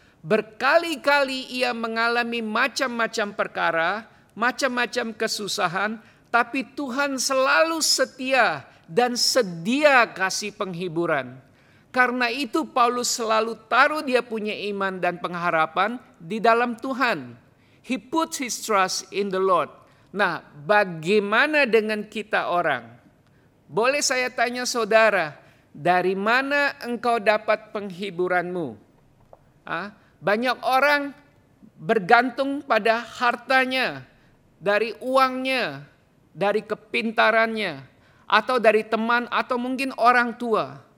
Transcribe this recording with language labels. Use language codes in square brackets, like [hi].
[id] Berkali-kali ia mengalami macam-macam perkara, macam-macam kesusahan, tapi Tuhan selalu setia dan sedia kasih penghiburan. Karena itu Paulus selalu taruh dia punya iman dan pengharapan di dalam Tuhan. [en] He puts his trust in the Lord. [id] Nah, bagaimana dengan kita orang? Boleh saya tanya saudara, dari mana engkau dapat penghiburanmu? Banyak orang bergantung pada hartanya, dari uangnya, dari kepintarannya, atau dari teman, atau mungkin orang tua.